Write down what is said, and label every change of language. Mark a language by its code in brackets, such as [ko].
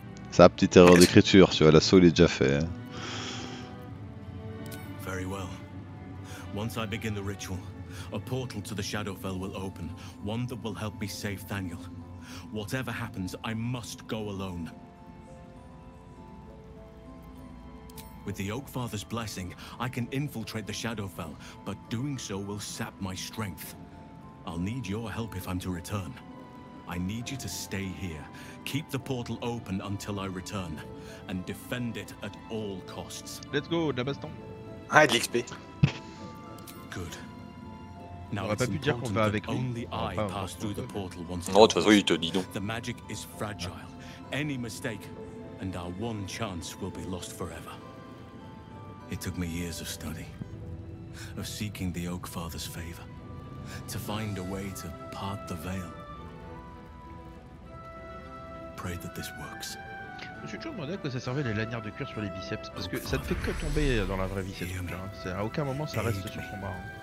[fr] Sa petite erreur d'écriture, tu vois, l'assaut il est déjà fait. Hein. [en] Very well. Once I begin the ritual, a portal to the Shadowfell will open, one that will help me save Thaniel. Whatever happens, I must go alone. With the Oakfather's blessing, I can infiltrate the Shadowfell, but doing so will sap my strength. I'll need your help if I'm to return. I need you to stay here. Keep the portal open until I return, and defend it at all costs. Let's go, [fr] de la baston. Ah, de l'XP. [en] Good. Now on it's important dire qu'on avec that only I pas, pass through the portal once again. [fr] Oh, de toute façon, il te dit non. [en] The magic is fragile. Any mistake, and our one chance will be lost forever. It took me years of study, of seeking the Oak Father's favor, to find a way to part the veil. Pray that this works. [fr] Je me suis toujours demandé à quoi ça servait les lanières de cuir sur les biceps, parce que ça ne fait que tomber dans la vraie vie, cette truc-là. C'est à aucun moment ça reste sur son bras.